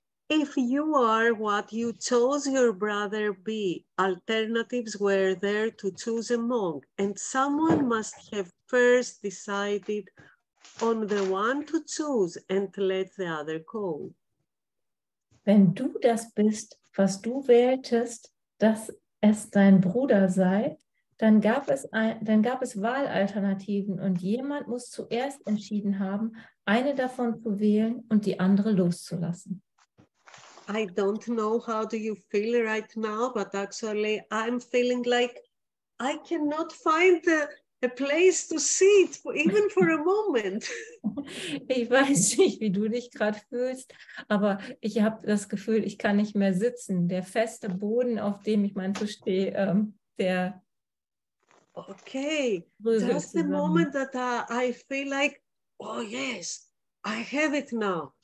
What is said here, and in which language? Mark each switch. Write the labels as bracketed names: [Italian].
[English] If you are what you chose your brother be, alternatives were there to choose among, and someone must have first decided on the one to choose and let the other go. [German] Wenn du das bist, was du wähltest, dass es dein Bruder sei, dann gab es Wahlalternativen und jemand muss zuerst entschieden haben, eine davon zu wählen und die andere loszulassen. [English] I don't know how do you feel right now, but actually I'm feeling like I cannot find a place to sit even for a moment. [German] Ich weiß nicht, wie du dich gerade fühlst, aber ich habe das Gefühl, ich kann nicht mehr sitzen. Der feste Boden, auf dem ich meinte stehe, der. [English] Okay, just the [German] zusammen. [English] Moment that I feel like, oh yes, I have it now.